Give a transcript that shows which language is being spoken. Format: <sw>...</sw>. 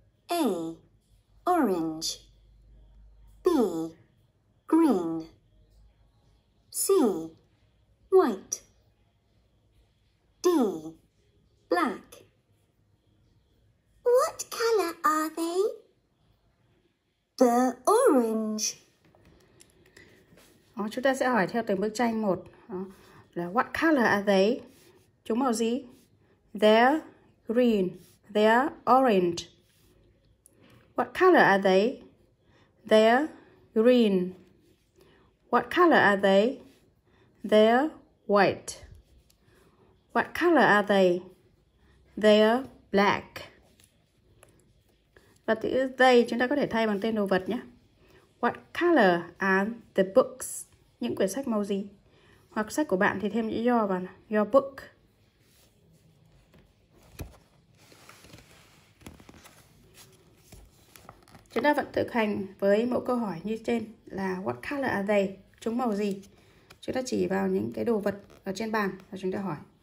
<en>A. Orange. B. Green. C. White. D. Black. What color are they? The orange.</en> <vi>Đó, chúng ta sẽ hỏi theo từng bức tranh một. Đó, là</vi> <en>what color are they?</en> <vi>Chúng màu gì?</vi> <en>They're green. They're orange. What color are they? They're green. What color are they? They're white. What color are they? They're black.</en> <vi>Và từ they chúng ta có thể thay bằng tên đồ vật nhé.</vi> <en>What color are the books?</en> <vi>Những quyển sách màu gì? Hoặc sách của bạn thì thêm chữ your vào.</vi> <en>Your book.</en> <vi>Chúng ta vẫn thực hành với mẫu câu hỏi như trên là</vi> <en>what color are they?</en> <vi>Chúng màu gì? Chúng ta chỉ vào những cái đồ vật ở trên bàn và chúng ta hỏi.</vi>